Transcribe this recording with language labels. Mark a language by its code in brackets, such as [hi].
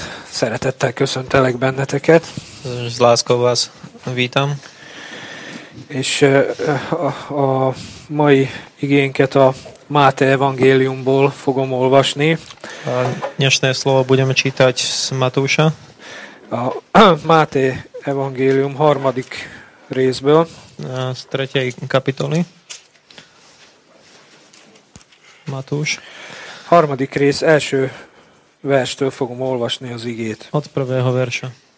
[hu] Szeretettel köszöntelek benneteket. [sk] Z láskou vás vítam. [hu] És a mai igénket a Máté evangéliumból fogom olvasni. [sk] A dnešné slovo budeme čítať z Matúša. [hu] A Máté evangélium harmadik részből. [sk] Z tretej kapitoly. Matúš. [hu] Harmadik rész első verstől fogom olvasni az igét. [sk] Ott prvého verse.